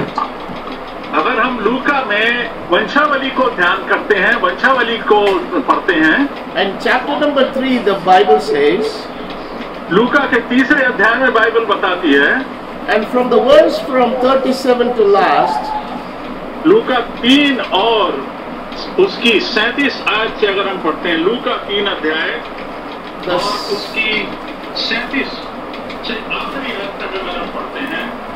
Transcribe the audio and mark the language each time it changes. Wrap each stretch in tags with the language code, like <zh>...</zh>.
<hi>अगर हम लूका में वंशावली को ध्यान करते हैं, वंशावली को पढ़ते हैं,</hi> <en>and chapter number 3, the Bible says,</en> <hi>लूका के तीसरे अध्याय में Bible बताती है,</hi> <en>and from the verse from 37 to last.</en> <hi>लूका तीन और उसकी 37 आयत से अगर हम पढ़ते हैं लूका तीन अध्याय और उसकी 37 से आखिरी आयत तक अगर हम पढ़ते हैं</hi>